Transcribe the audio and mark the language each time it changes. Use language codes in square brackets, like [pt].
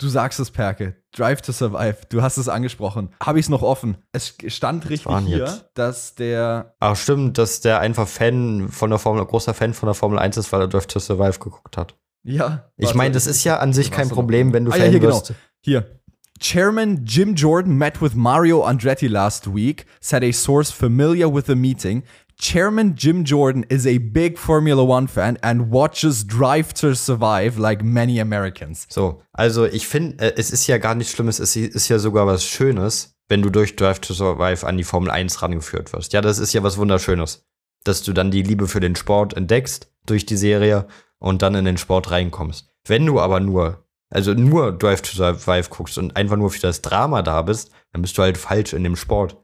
[de] Du sagst es, Perke. Drive to Survive. Du hast es angesprochen. Habe ich es noch offen? Es stand richtig hier, jetzt? Dass der... Ach stimmt, dass der einfach großer Fan von der Formel 1 ist, weil er Drive to Survive geguckt hat. Ja. Ich meine, das ist ja an sich kein Problem, wenn du Fan wirst. Genau. Hier. [en] Chairman Jim Jordan met with Mario Andretti last week, said a source familiar with the meeting. Chairman Jim Jordan is a big Formula One fan and watches Drive to Survive like many Americans. [de] So, also ich finde, es ist ja gar nichts Schlimmes, es ist ja sogar was Schönes, wenn du durch Drive to Survive an die Formel 1 rangeführt wirst. Ja, das ist ja was Wunderschönes, dass du dann die Liebe für den Sport entdeckst durch die Serie und dann in den Sport reinkommst. Wenn du aber nur Drive to Survive guckst und einfach nur für das Drama da bist, dann bist du halt falsch in dem Sport.